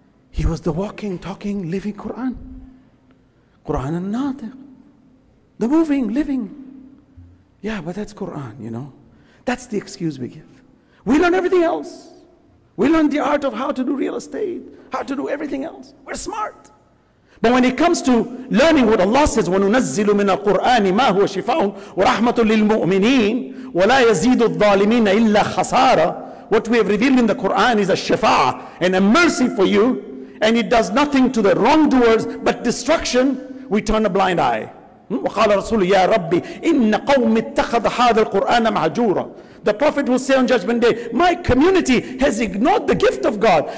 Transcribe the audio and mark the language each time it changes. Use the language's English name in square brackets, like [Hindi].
[English] He was the walking, talking, living Quran. Quran and Nadir. The moving, living. Yeah, but that's Quran, you know. That's the excuse we give. We learn everything else. We learn the art of how to do real estate, how to do everything else. We're smart. But when it comes to learning what Allah says, [Arabic] وَنُنَزِّلُ مِنَ الْقُرْآنِ مَا هُوَ شِفَاءٌ وَرَحْمَةٌ لِلْمُؤْمِنِينَ وَلَا يَزِيدُ الظَّالِمِينَ إِلَّا خَسَارًا. [English] What we have revealed in the Quran is a shifa'a and a mercy for you, and it does nothing to the wrongdoers but destruction. We turn a blind eye. [Arabic] وَقَالَ رَسُولُ يَا رَبِّ إِنَّ قَوْمِ اتَّخَذَ هَذَا الْقُرْآنَ مَهْجُورًا. [English] The Prophet will say on Judgment Day, my community has ignored the gift of God.